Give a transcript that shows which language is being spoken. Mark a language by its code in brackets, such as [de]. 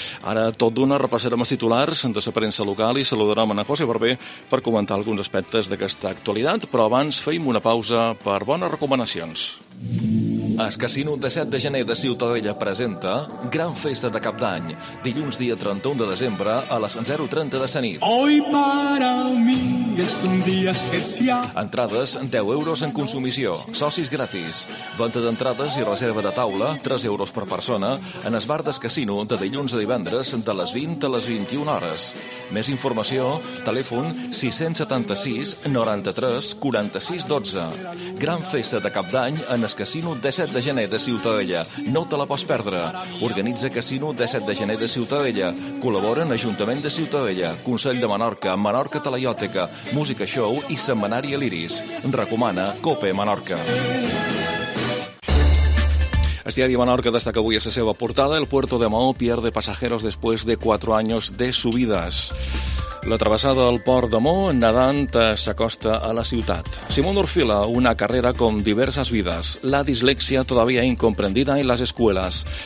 [ca] Ara, tot d'una, repassarem els titulars de la premsa local i saludarem en José Barber per comentar alguns aspectes d'aquesta actualitat, però abans feim una pausa per bones recomanacions. El Casino de 7 de gener de Ciutadella presenta Gran Festa de Cap d'Any, dilluns dia 31 de desembre a les 0:30 de la nit. [es] Hoy para mí es un día especial. [ca] Entrades, 10 euros en consumició, socis gratis. Venda d'entrades i reserva de taula, 3 euros per persona, en el bar del Casino de dilluns a divendres de les 20 a les 21 hores. Més informació, telèfon 676 93 46 12. Gran Festa de Cap d'Any en el Casino de 7 de gener de Ciutadella. No te la pots perdre. Organitza Casino de 7 de gener de Ciutadella. Col·laboren Ajuntament de Ciutadella, Consell de Menorca, Menorca Talaiòtica, Música Show i Setmanari Aliris. Recomana COPE Menorca. El diari Menorca destaca avui a la seva portada: [es] el puerto de Mahó pierde pasajeros después de 4 años de subidas. [ca] La travessada del port de Mó, nedant, s'acosta a la ciutat. [es] Simón Orfila, una carrera con diversas vidas. La dislexia todavía incomprendida en las escuelas.